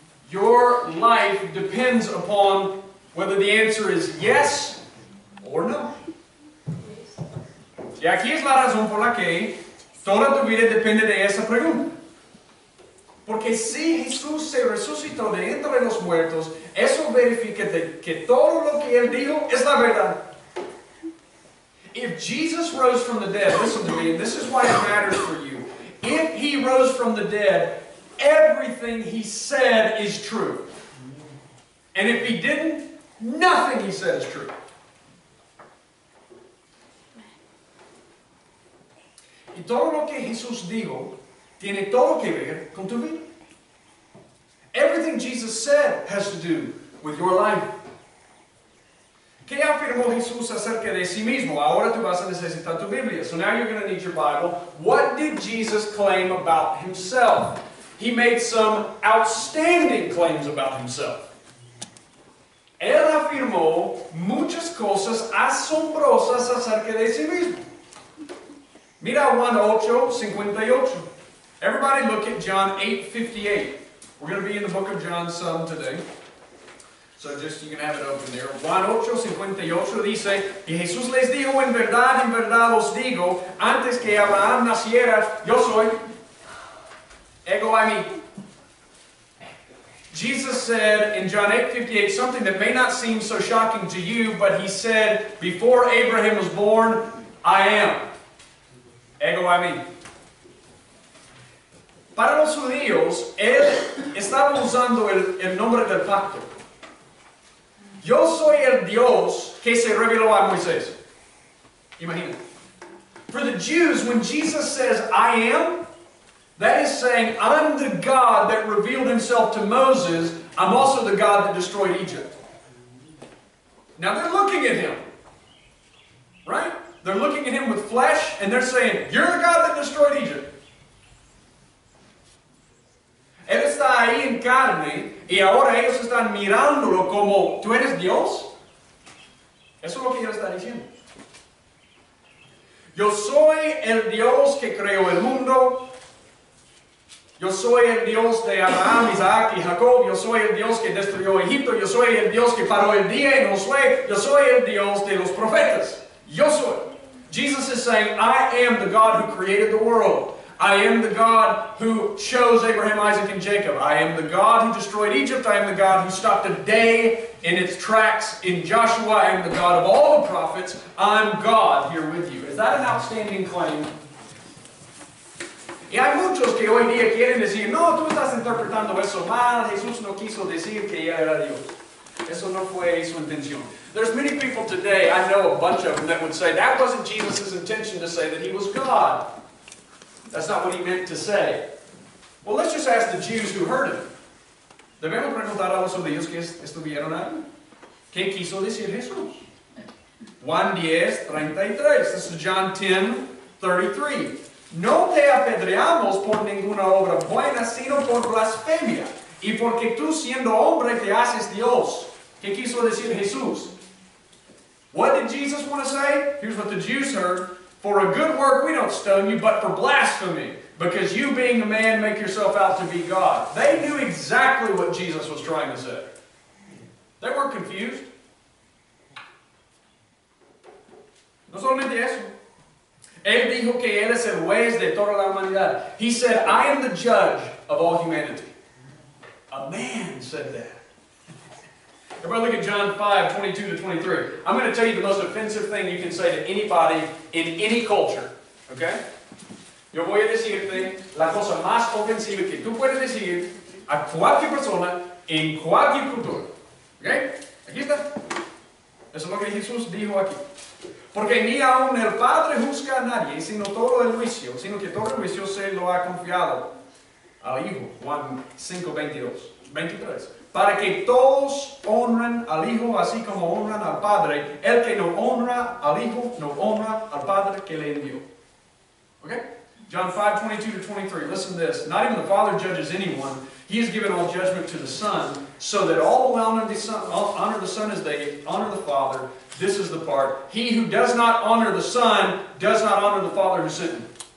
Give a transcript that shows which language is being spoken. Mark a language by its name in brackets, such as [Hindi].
[English] Your life depends upon whether the answer is yes or no. [Spanish] Y aquí es la razón por la que toda tu vida depende de esa pregunta. Porque si Jesús se resucitó de entre los muertos, eso verifica que todo lo que Él dijo es la verdad. [English] If Jesus rose from the dead, listen to me, and this is why it matters for you. If He rose from the dead, everything He said is true. And if He didn't, nothing He said is true. [Spanish] Y todo lo que Jesús dijo tiene todo que ver con tu vida. [English] Everything Jesus said has to do with your life. [Spanish] ¿Qué afirmó Jesús acerca de sí mismo? Ahora tú vas a necesitar tu Biblia. [English] So now you're going to need your Bible. What did Jesus claim about himself? He made some outstanding claims about himself. [Spanish] Él afirmó muchas cosas asombrosas acerca de sí mismo. Mira Juan 8:58. [English] Everybody look at John 8:58. We're going to be in the book of John some today. So just, you can have it open there. [Spanish] Juan 8:58 dice, y Jesús les dijo, en verdad os digo, antes que Abraham naciera, yo soy. Ego a mí. [English] Jesus said in John 8:58 something that may not seem so shocking to you, but he said, before Abraham was born, I am. Ego a mí. [Spanish] Para los judíos, él estaba usando el nombre del pacto. Yo soy el Dios que se reveló a Moisés. Imagina. For the Jews, when Jesus says, I am, that is saying, I'm the God that revealed himself to Moses. I'm also the God that destroyed Egypt. Now they're looking at him. Right? They're looking at him with flesh, and they're saying, you're the God that destroyed Egypt. Él está ahí en carne, y ahora ellos están mirándolo como, ¿tú eres Dios? Eso es lo que él está diciendo. Yo soy el Dios que creó el mundo. Yo soy el Dios de Abraham, Isaac y Jacob. Yo soy el Dios que destruyó Egipto. Yo soy el Dios que paró el día en Josué. Yo soy el Dios de los profetas. Yo soy. [English] Jesus is saying, I am the God who created the world. I am the God who chose Abraham, Isaac, and Jacob. I am the God who destroyed Egypt. I am the God who stopped a day in its tracks in Joshua. I am the God of all the prophets. I'm God here with you. Is that an outstanding claim? [Spanish] Y hay muchos que hoy día quieren decir, no, tú estás interpretando eso mal. Jesús no quiso decir que ya era Dios. Eso no fue su intención. [English] There's many people today, I know a bunch of them, that would say, that wasn't Jesus' intention to say that he was God. That's not what he meant to say. Well, let's just ask the Jews who heard him. [Spanish] Debemos preguntar a los judíos que estuvieron ahí. ¿Qué quiso decir Jesús? [English] Juan 10, 33. This is John 10, 33. [Spanish] No te apedreamos por ninguna obra buena, sino por blasfemia. Y porque tú siendo hombre te haces Dios. ¿Qué quiso decir Jesús? [English] What did Jesus want to say? Here's what the Jews heard. For a good work we don't stone you, but for blasphemy. Because you being a man make yourself out to be God. They knew exactly what Jesus was trying to say. They weren't confused. No solamente eso. Él dijo que él es el juez de toda la humanidad. He said, I am the judge of all humanity. A man said that. Everybody look at John 5, 22-23. I'm going to tell you the most offensive thing you can say to anybody in any culture. Okay? [Spanish] Yo voy a decirte la cosa más ofensiva que tú puedes decir a cualquier persona en cualquier cultura. Okay? Aquí está. Eso es lo que Jesús dijo aquí. Porque ni aun el Padre juzga a nadie, sino todo el juicio, sino que todo el juicio se lo ha confiado al Hijo. Juan 5:23. Para que todos honren al Hijo así como honran al Padre. El que no honra al Hijo, no honra al Padre que le envió. [English] Okay? John 5:22-23. Listen to this. Not even the Father judges anyone. He has given all judgment to the Son, so that all will honor the Son as they honor the Father. This is the part. He who does not honor the Son does not honor the Father who sent him.